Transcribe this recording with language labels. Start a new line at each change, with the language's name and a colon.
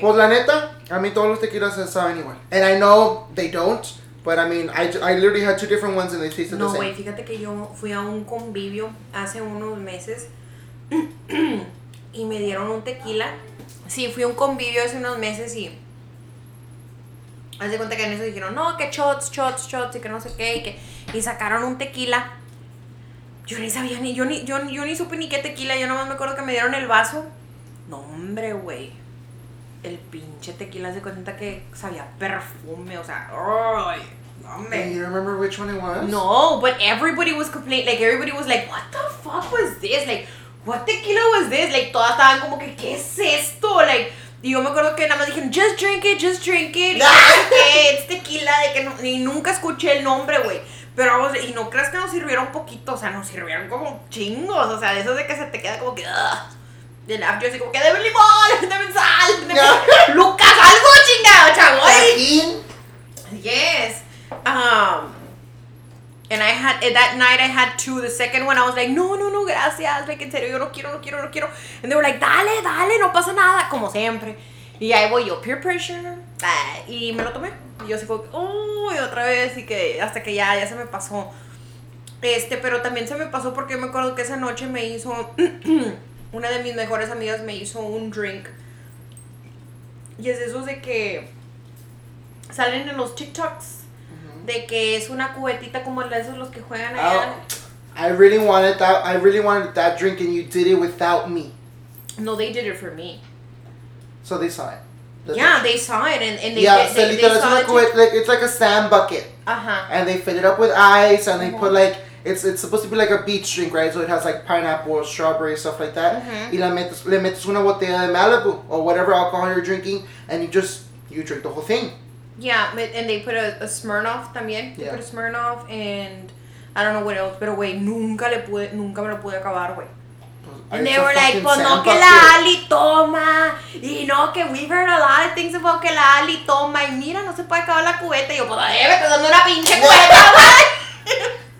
Spanish: Pues la neta, a mí todos los tequilas saben igual.
English: And I know they don't. But I mean, I literally had two different ones and they tasted no, the same.
Spanish: No, güey, fíjate que yo fui a un convivio hace unos meses. Y me dieron un tequila. Sí, fui a un convivio hace unos meses y haz de cuenta que en eso dijeron, no, que shots, shots, shots, y que no sé qué, y que y sacaron un tequila. Yo ni sabía ni, yo ni supe ni qué tequila, yo nomás me acuerdo que me dieron el vaso. No, hombre, güey. El pinche tequila, haz de cuenta que sabía perfume, o sea, ay.
English: Do you remember which one it was? No, but everybody was complaining, like everybody was like, what the fuck was this? Like, what tequila was this?
Spanish: Like, todas estaban como que, ¿qué es esto? Like, y yo me acuerdo que nada más dije, just drink it, just drink it. It's tequila, de que no, ni nunca escuché el nombre, güey. Pero vamos, y no creas que nos sirvieron poquito, o sea, nos sirvieron como chingos. O sea, de esos de que se te queda como que, ugh. Y yo así como que, ¡deme limón! ¡Deme sal! ¡Deme no. ¡Lucas, algo chingado, chavo! Yes.
English: And I had, that night I had two, the second one, I was like, no, gracias, like, en serio, yo no quiero. And they were like, dale, no pasa nada, como siempre.
Spanish: Y ahí voy yo, peer pressure, y me lo tomé. Y yo así fue, uy, otra vez, y que hasta que ya se me pasó. Este, pero también se me pasó porque yo me acuerdo que esa noche me hizo, una de mis mejores amigas me hizo un drink. Y es eso de que salen en los TikToks. De que es una cubetita como la de esos los que juegan allá.
English: I really wanted that drink and you did it without me. No, they did it for me. So they saw it. They saw it and they saw it. It's like a sand bucket. Uh-huh. And they fill it up with ice and they put like, it's supposed to be like a beach drink, right? So it has like pineapple, strawberry, stuff like that. Uh-huh. Y le metes una botella de Malibu or whatever alcohol you're drinking and you drink the whole thing. Yeah, and they put a Smirnoff también. Yeah. They put a Smirnoff and I don't know what else. Pero, güey, nunca me lo pude acabar, güey. And they were like, pues no que la Ali toma.
Spanish: Y no, que we've heard a lot of things about que la Ali toma. Y mira, no se puede acabar la cubeta. Y yo, pues, me estoy dando una pinche cubeta, güey.